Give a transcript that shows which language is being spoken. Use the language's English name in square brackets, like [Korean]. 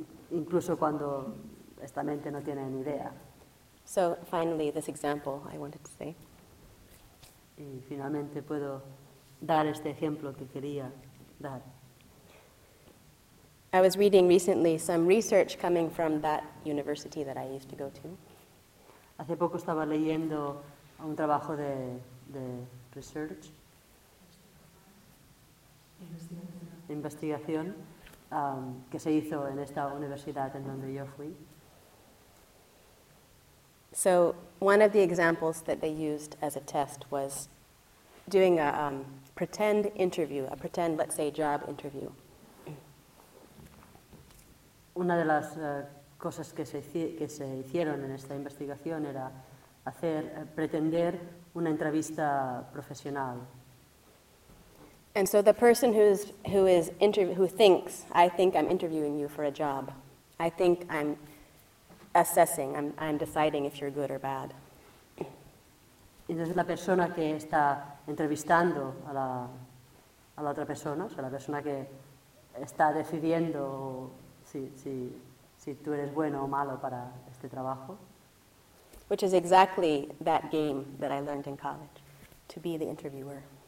[Spanish] Incluso cuando esta mente no tiene ni idea. [English] So, finally, this example I wanted to say. [Spanish] Y finalmente puedo dar este ejemplo que quería dar. [English] I was reading recently some research coming from that university that I used to go to. [Spanish] Hace poco estaba leyendo un trabajo de research, investigación, que se hizo en esta universidad en donde yo fui. [English] So one of the examples that they used as a test was doing a pretend interview, a pretend, let's say, job interview. [Spanish] Una de las cosas que se hicieron en esta investigación era hacer pretender una entrevista profesional. [English] And so the person who thinks, I think I'm interviewing you for a job. I think I'm assessing. I'm deciding if you're good or bad. [Spanish] Entonces la persona que está entrevistando a la otra persona, o sea, la persona que está decidiendo si tú eres bueno o malo para este trabajo. [English] Which is exactly that game that I learned in college, to be the interviewer.